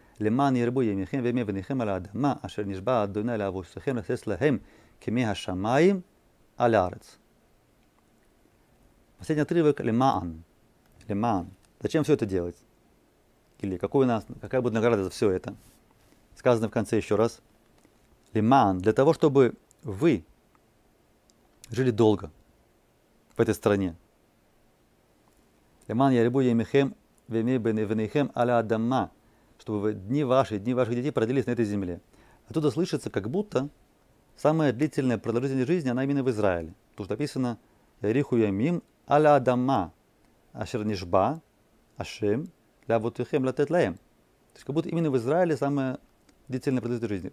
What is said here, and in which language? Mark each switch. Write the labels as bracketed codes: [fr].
[he] למען ירבו ימיכם וימי בניכם על האדמה אשר נשבע אדוני לאבותיכם לתת להם כמי השמיים על הארץ. [ru] Последний отрывок [he] למען. למען. [ru] Зачем все это делать? Или какая будет награда за все это? Сказано в конце еще раз. [he] למען. [ru] Для того, чтобы вы жили долго в этой стране. [he] למען ירבו ימיכם וימי בניכם על האדמה. [ru] Чтобы дни ваших детей продлились на этой земле. Оттуда слышится, как будто самая длительная продолжительность жизни, она именно в Израиле. Тут же написано [he] «Яриху ямим аля адама ашер нишба ашем ля вотухем ля тетлеем». [ru] То есть как будто именно в Израиле самая длительная продолжительность жизни.